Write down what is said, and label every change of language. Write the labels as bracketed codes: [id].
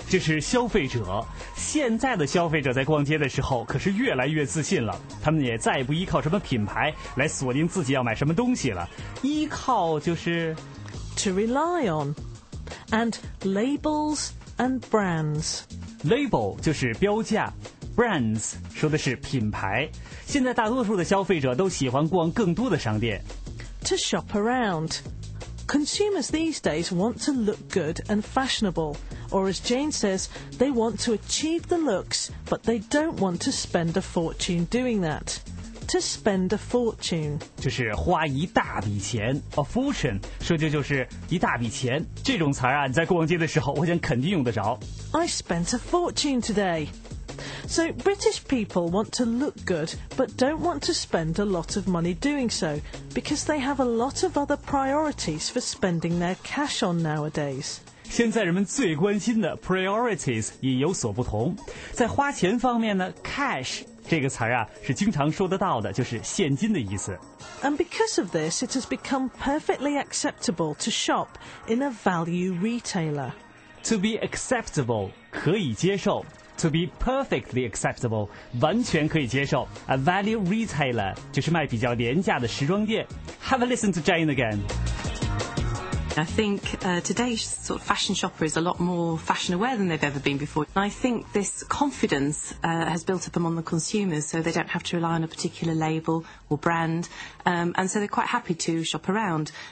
[zh] 这是消费者，现在的消费者在逛街的时候可是越来越自信了，他们也再也不依靠什么品牌来锁定自己要买什么东西了，依靠就是 [en] To rely on and labels and brands. [zh] Label 就是标价， brands 说的是品牌，现在大多数的消费者都喜欢逛更多的商店。 [en] To shop aroundConsumers these days want to look good and fashionable, or as Jane says, they want to achieve the looks, but they don't want to spend a fortune doing that. To spend a fortune. [zh] 就是花一大笔钱 [en] a fortune, [zh] 说的就是一大笔钱。这种词啊，你在逛街的时候，我想肯定用得着。 [en] I spent a fortune today. So British people want to look good, but don't want to spend a lot of money doing so, because they have a lot of other priorities for spending their cash on nowadays. [zh] 现在人们最关心的 priorities 也有所不同。在花钱方面呢 ，cash 这个词啊是经常说得到的，就是现金的意思。 [en] And because of this, it has become perfectly acceptable to shop in a value retailer. To be acceptable [zh] 可以接受。 [en] To be perfectly acceptable, [zh] 完全可以接受。 [en] A value retailer, [zh] 就是卖比较廉价的时装店。 [en] Have a listen to Jane again. I think today's sort of fashion shopper is a lot more fashion aware than they've ever been before. I think this confidence has built up among the consumers, so they don't have to rely on a particular label or brand, and so they're quite happy to shop around.